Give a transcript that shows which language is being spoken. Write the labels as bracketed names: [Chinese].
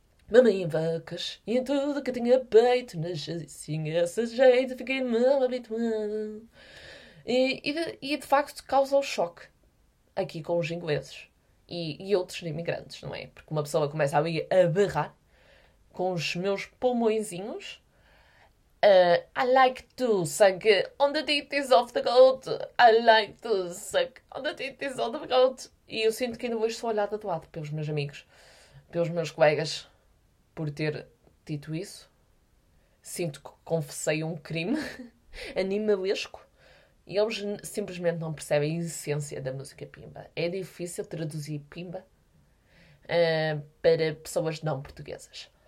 [Portuguese] Mamãe em vacas, e em tudo que tinha peito, nasci assim, esse jeito, fiquei mal habituado. E de facto causou choque aqui com os ingleses e outros imigrantes, não é? Porque uma pessoa começa ali a berrar com os meus pulmõezinhos. [English] I like to suck on the titties of the goat. I like to suck on the titties of the goat. [Portuguese] E eu sinto que ainda hoje sou olhada de lado pelos meus amigos, pelos meus colegas. Por ter dito isso, sinto que confessei um crime animalesco e eles simplesmente não percebem a essência da música Pimba. É difícil traduzir Pimba para pessoas não portuguesas.